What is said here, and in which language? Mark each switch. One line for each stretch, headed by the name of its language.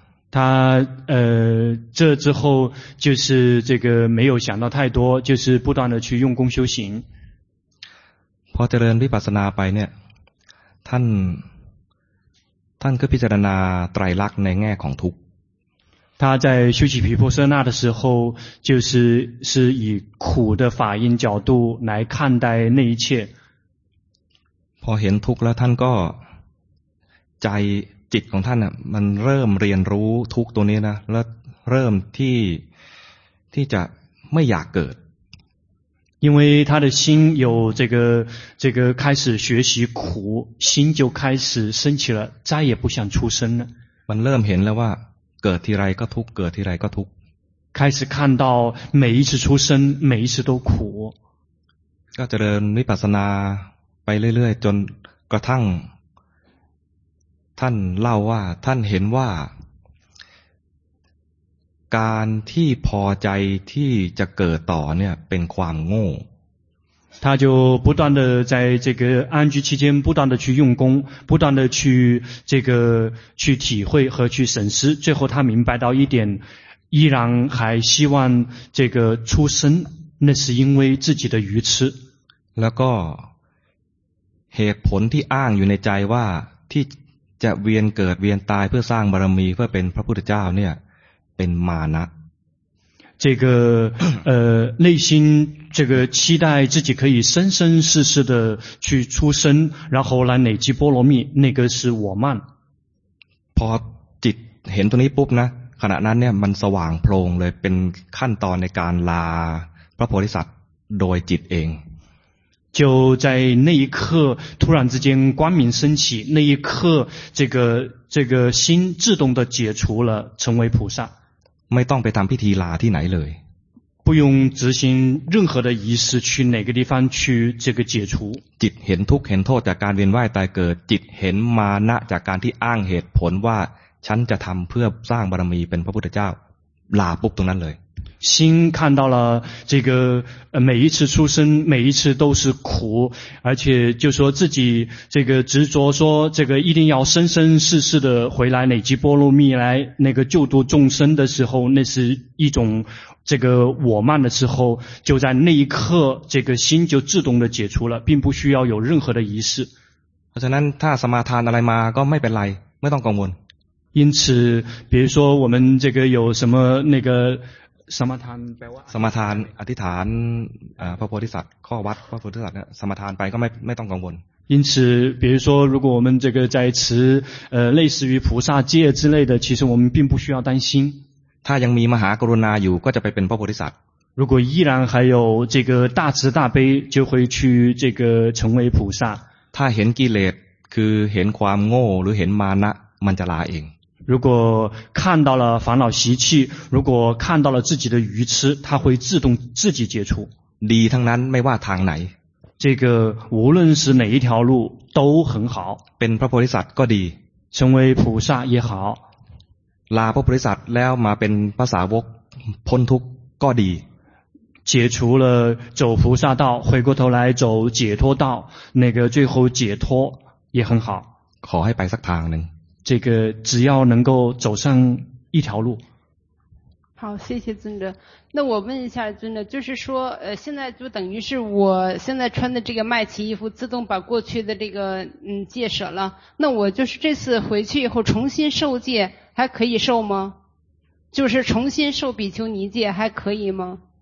Chinese: 他这之后就是这个没有想到太多就是不断的去用功修行
Thai: พอเจริญวิปัสสนาไปเนี่ยท่านก็พิจารณาไตรลักษณ์ในแง่ของทุกข์
Chinese: 他在修习毗婆舍那的时候就是是以苦的法印角度来看待那一切
Thai: พอเห็นทุกข์แล้วท่านก็ใจจิตของท่านน่ะมันเริ่มเรียนรู้ทุกข์ตัวนี้นะแล้วเริ่มที่จะไม่อยากเกิด
Chinese: 因为他的心有这个开始学习苦心就开始升起了再也不想出生了
Thai: มันเริ่มเห็นแล้วว่าเกิดทีไรก็ทุกเกิดทีไรก็ทุก
Chinese: 开始看到每一次出生每一次都苦
Thai: ก็เจริญวิปัสสนาไปเรื่อยๆจนกระทั่งท่านเล่าว่าท่านเห็นว่าการที่พอใจที่จะเกิดต่อเนี่ยเป็นความโง่
Chinese: 他就不断的在这个安居期间不断的去用功不断的去这个去体会和去审视最后他明白到一点依然还希望这个出生那是因为自己的愚痴
Thai: แล้วก็เหตุผลที่อ้างอยู่ในใจว่าที่จะเวียนเกิดเวียนตายเพื่อสร้างบารมีเพื่อเป็นพระพุทธเจ้าเนี่ยเป็นมานะ
Chinese: 这个内心这个期待自己可以生生世世的去出生然后来累积波罗蜜那个是我慢
Thai: พอจิตเห็นตรงนี้ปุ๊บนะขณะนั้นเนี่ยมันสว่างโพล่งเลยเป็นขั้นตอนในการลาพระโพธิสัตว์โดยจิตเอง
Chinese: 就在那一刻突然之间光明升起那一刻这个心自动的解除了成为菩萨
Thai: ไม่ต้องไปทำพิธีลาที่ไหนเลย
Chinese: 不用执行任何的仪式去哪个地方去这个解除
Thai: จิตเห็นทุกข์เห็นโทษจากการเวียนว่ายตายเกิดจิตเห็นมานะจากการที่อ้างเหตุผลว่าฉันจะทำเพื่อสร้างบารมีเป็นพระพุทธเจ้าลาปุ๊บตรงนั้นเลย
Chinese: 心看到了这个每一次出生每一次都是苦而且就说自己这个执着说这个一定要生生世世的回来累积波罗蜜来那个救度众生的时候那是一种这个我慢的时候就在那一刻这个心就自动的解除了并不需要有任何的仪式
Thai: เพราะฉะนั้นถ้าสมาทานอะไรมาก็ไม่เป็นไรไม่ต้องกังวล
Chinese: 因此比如说我们这个有什么那个
Thai: สมาทานแปลว่า สมาทานอธิษฐานพระโพธิสัตว์ข้อวัดพระโพธิสัตว์เนี่ยสมาทานไปก็ไม่ต้องกังวล
Chinese: 因此比如说如果我们这个在持类似于菩萨戒之类的其实我们并不需要担心
Thai: ถ้ายังมีมหากรุณาอยู่ก็จะไปเป็นพระโพธิสัตว์
Chinese: 如果依然还有这个大慈大悲就会去这个成为菩萨
Thai: ถ้าเห็นกิเลสคือเห็นความโง่หรือเห็นมานะมันจะลาเอง
Chinese: 如果看到了烦恼习气如果看到了自己的愚痴他会自动自己解除
Thai: ดีทั้งนั้นไม่ว่าทางไหน
Chinese: 这个无论是哪一条路都很好
Thai: เป็นพระโพธิสัตว์ก็ดี
Chinese: 成为菩萨也好
Thai: ลาพระโพธิสัตว์แล้วมาเป็นพระสาวกพ้นทุกข์ก็ดี
Chinese: 解除了走菩萨道回过头来走解脱道那个最后解脱也很好
Thai: ขอให้ไปสักทางหนึ่ง
Chinese: 这个只要能够走上一条路好谢谢尊者那我问一下尊者就是说现在就等于是我现在穿的这个麦奇衣服自动把过去的这个戒舍了那我就是这次回去以后重新受戒还可以受吗就是重新受比丘尼戒还可以吗